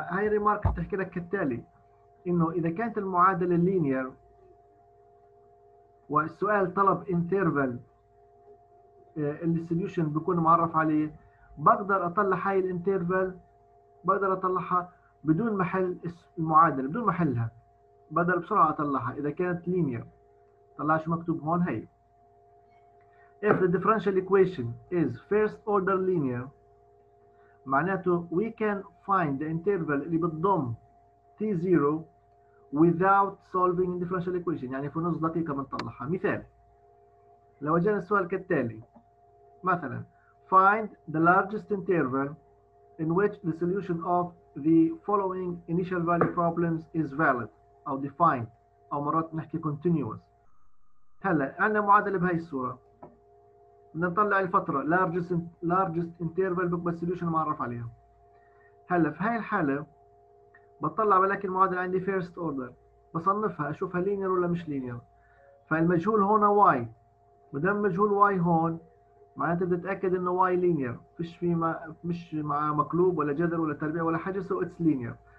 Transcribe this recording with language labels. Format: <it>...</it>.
<ar>وهي ريمارك بتحكي لك كالتالي، انه اذا كانت المعادله لينير والسؤال طلب انترفال اللي السوليوشن بيكون معرف عليه، بقدر اطلع هاي الانترفال، بقدر اطلعها بدون محل المعادله، بدون محلها بقدر بسرعه اطلعها اذا كانت لينير. طلع شو مكتوب هون، هي</ar> <en>if the differential equation is first order linear</en> <ar>معناته</ar> <en>we can find the interval</en> <ar>اللي بتضم t0</ar> <en>without solving differential equation،</en> <ar>يعني في نص دقيقة بنطلعها. مثال لو جانا السؤال كالتالي، مثلا</ar> <en>find the largest interval in which the solution of the following initial value problems is valid أو defined</en> <ar>أو مرات نحكي</ar> <en>continuous.</en> <ar>هلا عندنا معادلة بهي الصورة، بدنا نطلع الفترة largest interval بقبل solution معرف عليها. هلا في هاي الحالة بطلع بلاقي المعادلة عندي first order، بصنفها اشوفها linear ولا مش linear. فالمجهول هون y، ما دام مجهول y هون معناته بدي اتاكد انه y linear، فيش في ما مش مع مقلوب ولا جذر ولا تربيع ولا حاجه،</ar> <en>so it's</en> <ar>linear.</ar>